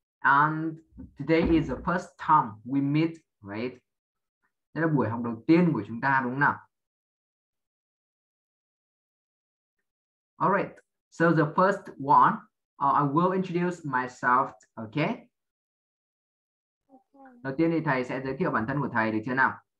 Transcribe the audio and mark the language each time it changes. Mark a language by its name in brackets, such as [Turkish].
[English] And today is the first time we meet, right? [Vietnamese] Đây là buổi học đầu tiên của chúng ta đúng không nào? [English] Alright. So the first one, I will introduce myself, okay? Okay. [Vietnamese] Đầu tiên thì thầy sẽ giới thiệu bản thân của thầy được chưa nào?